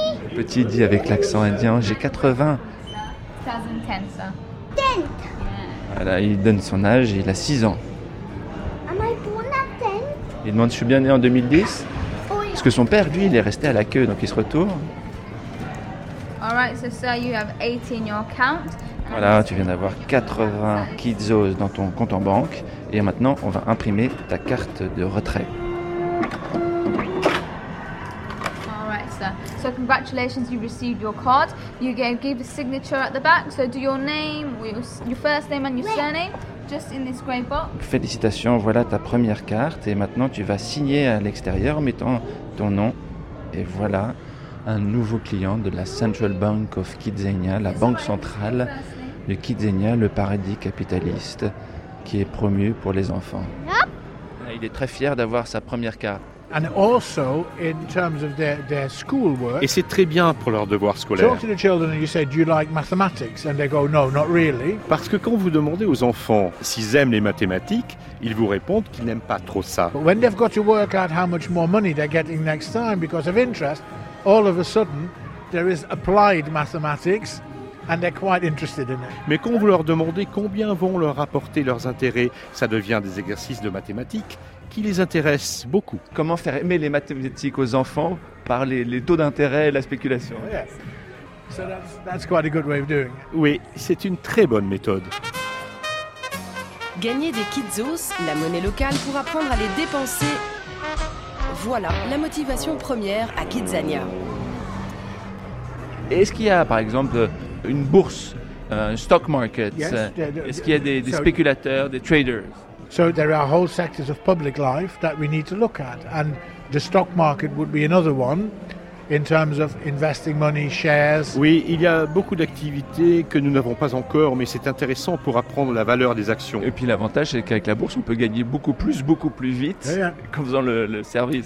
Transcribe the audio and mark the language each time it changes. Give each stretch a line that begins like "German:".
French: Le petit dit avec l'accent indien, j'ai 80.
English: 2010, sir. 10.
French: Voilà, il donne son âge, il a 6 ans.
English: Am I born at 10?
French: Il demande, je suis bien né en 2010?
English: Oh, yeah.
French: Parce que son père, lui, il est resté à la queue, donc il se retourne.
English: All right, so sir, you have 80 in your account.
French: Voilà, tu viens d'avoir 80 kidzos dans ton compte en banque. Et maintenant, on va imprimer ta carte de retrait.
English: So congratulations, you received your card. You gave a signature at the back. So do your name, your first name and your surname, just in this grey box.
French: Félicitations, voilà ta première carte. Et maintenant, tu vas signer à l'extérieur en mettant ton nom. Et voilà un nouveau client de la Central Bank of Kidzania, la banque centrale de Kidzania, le paradis capitaliste qui est promu pour les enfants.
English: Yep.
French: Il est très fier d'avoir sa première carte.
English: And also in terms of their schoolwork.
French: Et c'est très bien pour leurs devoirs scolaires.
English: Talk to the children and you say, do you like mathematics? And they go, no, not really.
French: Parce que quand vous demandez aux enfants s'ils aiment les mathématiques, ils vous répondent qu'ils n'aiment pas trop ça.
English: But when they've got to work out how much more money they're getting next time because of interest, all of a sudden there is applied mathematics. And they're quite interested in it.
French: Mais quand vous leur demandez combien vont leur apporter leurs intérêts, ça devient des exercices de mathématiques qui les intéressent beaucoup. Comment faire aimer les mathématiques aux enfants par les taux d'intérêt et la spéculation?
English: Oh, yes. So that's quite a good way of doing it.
French: Oui, c'est une très bonne méthode. Gagner des kidzos, la monnaie locale, pour apprendre à les dépenser. Voilà la motivation première à Kidzania. Est-ce qu'il y a, par exemple, une bourse, un stock market?
English: Yes,
French: est-ce qu'il y a des spéculateurs, des traders?
English: So there are whole sectors of public life that we need to look at, and the stock market would be another one in terms of investing money, shares.
French: Oui, il y a beaucoup d'activités que nous n'avons pas encore, mais c'est intéressant pour apprendre la valeur des actions. Et puis l'avantage, c'est qu'avec la bourse, on peut gagner beaucoup plus vite qu'en faisant le service.